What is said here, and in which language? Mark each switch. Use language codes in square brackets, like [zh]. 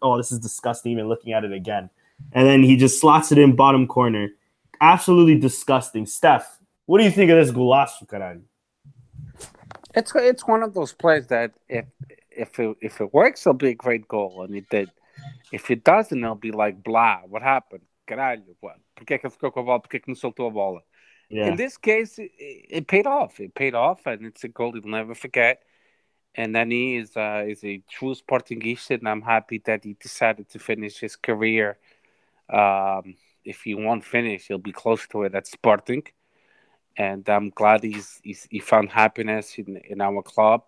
[en] Oh, this is disgusting even looking at it again. And then he just slots it in bottom corner. Absolutely disgusting. Steph, what do you think of this golazo, Karan? It's one of those plays that if it works, it'll be a great goal. And it did. If it doesn't, it'll be like, blah, what happened? [pt] Caralho, what? Por que ficou com a bola? Por que não soltou a bola? [en] Yeah. In this case, it paid off. It paid off, and it's a goal you'll never forget. And Nani is a true Sportingista, and I'm happy that he decided to finish his career. If he won't finish, he'll be close to it at Sporting. And I'm glad he found happiness in our club.